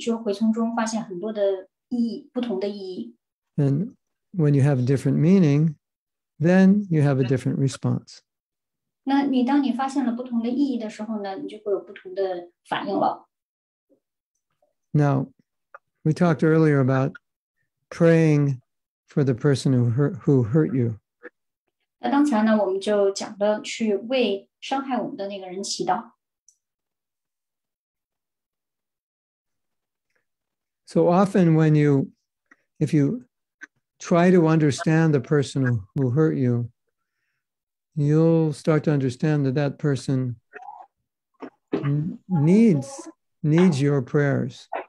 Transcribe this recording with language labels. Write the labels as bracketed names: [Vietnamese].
[Chinese] 那所以说，从不同的角度去看待这个事情的时候呢，你就会从中发现很多的意义，不同的意义。 [English] And when you have a different meaning, then you have a different response. [Chinese] 那你当你发现了不同的意义的时候呢，你就会有不同的反应了。 [English] Now, we talked earlier about praying for the person who hurt you. [Chinese] 那当前呢，我们就讲的去为 [English] So often when you, if you try to understand the person who hurt you, you'll start to understand that that person needs your prayers.